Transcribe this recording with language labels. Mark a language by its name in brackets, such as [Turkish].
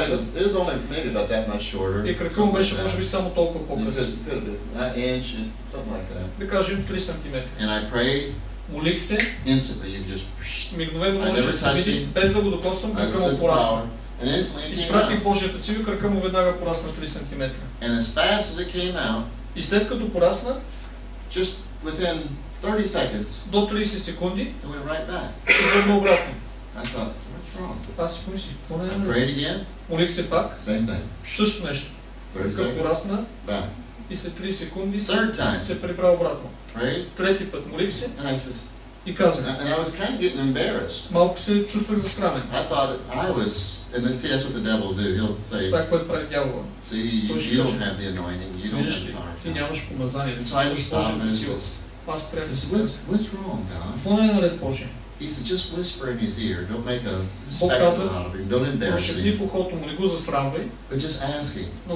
[English] It was only maybe about that much shorter. [Bulgarian] И кракът му беше може би само толкова по-къс. [English] Something like that. [Bulgarian] 3 сантиметра. [English] And I prayed. [Bulgarian] Молих се. [English] Instantly you just [Bulgarian] мигновено може да се види, без да го докосвам, кръка му порасна. Изпратих Божията сила, кръка му веднага порасна 3 сантиметра. [English] And as fast as it came out, [Bulgarian] и след като порасна, [English] just within 30 seconds, [Bulgarian] до 30 секунди, [English] it went right back. [Bulgarian] Се върна обратно. [English] I thought, what's wrong? [Bulgarian] Аз си помислих, какво не е? [English] I prayed again. [Bulgarian] Молих се пак. [English] Same thing. [Bulgarian] Също нещо. Кръка порасна. Да. И след 3 секунди се прибра обратно. Трети път молих се. [English] And I says, [Bulgarian] и казах. [English] And I was kind of getting embarrassed. [Bulgarian] Малко се чувствах засрамен. [English] I thought I was, and then see that's what the devil will do. He'll say. [Bulgarian] Това, което прави дявола. [English] See, you don't have the anointing. You don't have power. [Bulgarian] Ти нямаш помазание. [English] So I just thought, and what's wrong, God? [Bulgarian] Какво е наред, Боже? [English] He said, just whisper in his ear. Don't make a spectacle out of him. Don't embarrass him. But just ask him.